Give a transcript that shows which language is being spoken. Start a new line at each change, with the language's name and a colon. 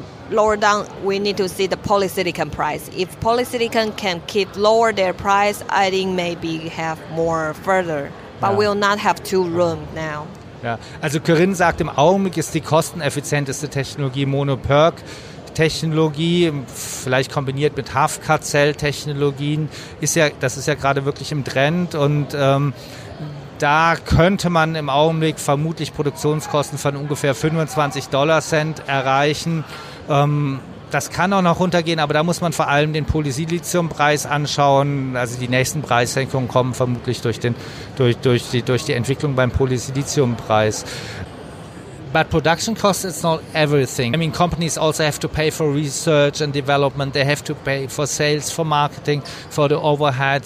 English: Lower down, we need to see the polysilicon price. If polysilicon can keep lower their price, I think maybe have more further. But we'll not have two room now.
German: Ja. Also Corinne sagt, im Augenblick ist die kosteneffizienteste Technologie Mono-Perk-Technologie, vielleicht kombiniert mit HFK-Zell-Technologien. Das ist ja gerade wirklich im Trend. Und da könnte man im Augenblick vermutlich Produktionskosten von ungefähr 25 Dollar Cent erreichen. Das kann auch noch runtergehen, aber da muss man vor allem den Polysilizium-Preis anschauen. Also die nächsten Preissenkungen kommen vermutlich durch die Entwicklung beim Polysilizium-Preis.
English: But production cost is not everything. I mean, companies also have to pay for research and development. They have to pay for sales, for marketing, for the overhead.